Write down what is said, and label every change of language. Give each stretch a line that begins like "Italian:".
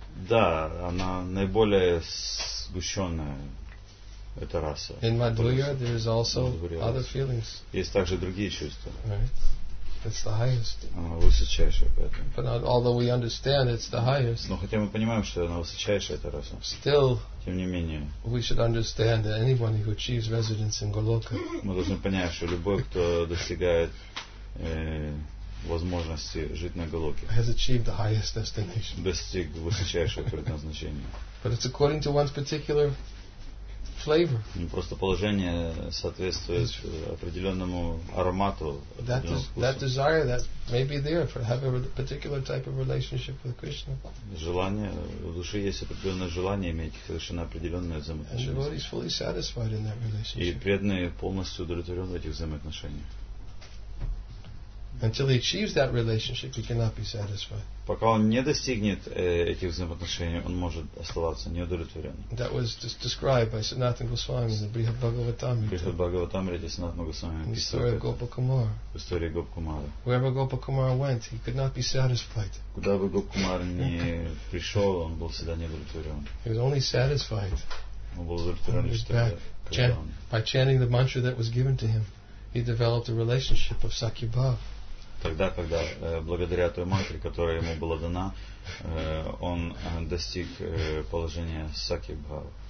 Russian: Да, она наиболее сгущенная эта раса.
English: In Madhurya there is also other feelings.
Russian: Есть также другие чувства.
English: It's the highest.
Russian: Она высочайшая, поэтому.
English: But not, although we understand it's the highest.
Russian: Но хотя мы понимаем, что она высочайшая, это раса.
English: Still.
Russian: Тем не менее.
English: We should understand that anyone who achieves residence in Goloka.
Russian: Мы должны понять, что любой, кто достигает возможности жить на Голоке.
English: Has achieved the highest destination.
Russian: Достиг высочайшего предназначения.
English: But it's according to one's particular flavor.
Russian: Просто положение соответствует определенному аромату.
English: That desire that may be there for having a particular type of relationship with Krishna.
Russian: Желание в душе, есть определенное желание иметь совершенно определенное взаимоотношение.
English: And devotee is fully satisfied in that relationship.
Russian: И преданный полностью удовлетворен в этих взаимоотношениях.
English: Until he achieves that relationship, he cannot be satisfied.
Russian: Пока он не достигнет этих взаимоотношений, он может оставаться неудовлетворенным.
English: That was described by Sanatan Goswami in the Brihadbhagavatamrita. Sanatan Goswami. In the story of Gopakumara.
Russian: В истории Гопакумары.
English: Wherever Gopakumara went, he could not be satisfied.
Russian: Куда бы Гопакумара ни пришел, он был всегда неудовлетворен.
English: He was only satisfied.
Russian: Он был удовлетворен
English: by chanting the mantra that was given to him. He developed a relationship of Sakyabhav.
Russian: Тогда, когда благодаря той мантре, которая ему была дана, он достиг положения Сакибхав.